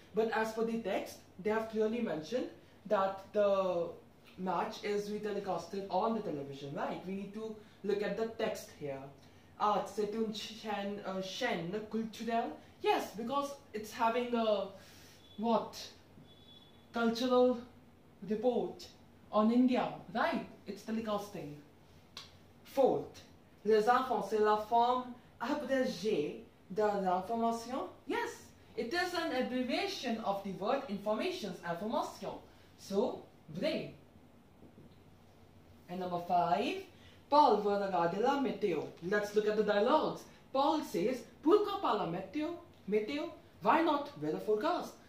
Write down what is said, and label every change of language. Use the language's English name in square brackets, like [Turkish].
[English] But as for the text, they have clearly mentioned that the match is retransmitted on the television, right? We need to look at the text here. Ah, [French] c'est une chaîne culturelle? [English] Yes, because it's having a, what, cultural report on India, right? It's telecasting. [French] Fourth, les enfants, c'est la forme abrégée de l'information? [English] Yes, it is an abbreviation of the word informations, information. So, vrai. And number five, [French] Paul veut regarder la météo. [English] Let's look at the dialogues. Paul says, [French] pourquoi pas la météo? [English] Météo, why not weather forecast?